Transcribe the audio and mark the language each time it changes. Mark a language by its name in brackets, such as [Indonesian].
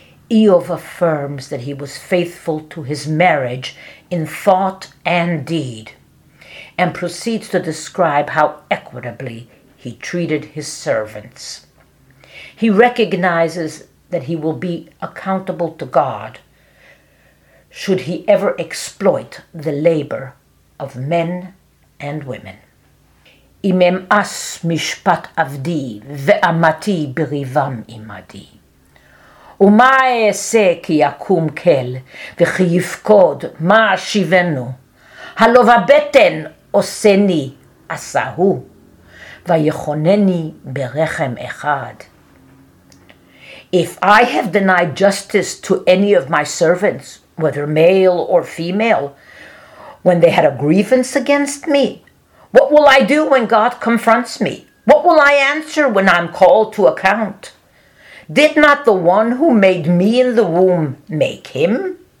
[English] Iyov affirms that he was faithful to his marriage in thought and deed, and proceeds to describe how equitably he treated his servants. He recognizes that he will be accountable to God should he ever exploit the labor of men and women. [Hebrew] אם אמאס משפט עבדי ועמתי בריבם עמדי. ומה אעשה כי יקום כל וכי יפקוד מה שיבנו? הלוב הבטן עושני עשה הוא ויכונני ברחם אחד. [English] If I have denied justice to any of my servants, whether male or female, when they had a grievance against me, what will I do when God confronts me? What will I answer when I'm called to account? Did not the one who made me in the womb make him?